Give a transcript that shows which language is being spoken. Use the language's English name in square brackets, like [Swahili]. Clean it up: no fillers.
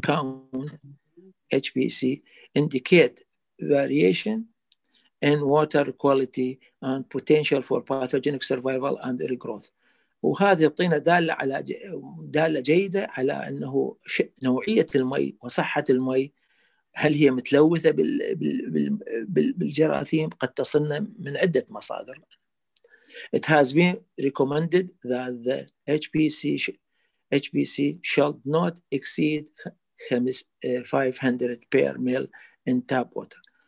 [English] Heterotrophic plate count (HPC) indicate variation in water quality and potential for pathogenic survival and regrowth. [Arabic] وهذه الطينة دالة جيدة على أنه نوعية الماء وصحة الماء، هل هي متلوثة بالجراثيم، قد تصلنا من عدة مصادر. [English] It has been recommended that the HPC should not exceed 500 per mil in tap water.